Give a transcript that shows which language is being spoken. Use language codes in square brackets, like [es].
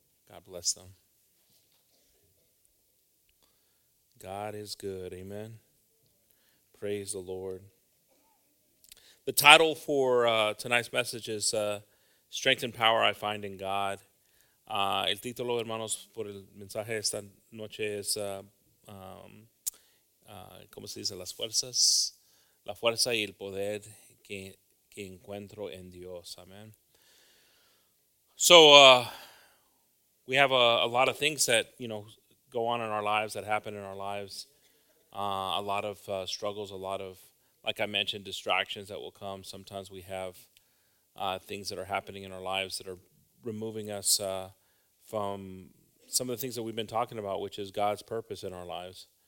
[en] God bless them. God is good. Amen. Praise the Lord. The title for tonight's message is Strength and Power I Find in God. [es] El título, hermanos, por el mensaje de esta noche es, ¿cómo se dice? Las fuerzas. La fuerza y el poder que encuentro en Dios. [en] Amen. So, we have a lot of things that, you know, go on in our lives, that happen in our lives. A lot of struggles, a lot of, like I mentioned, distractions that will come. Sometimes we have things that are happening in our lives that are removing us from some of the things that we've been talking about, which is God's purpose in our lives.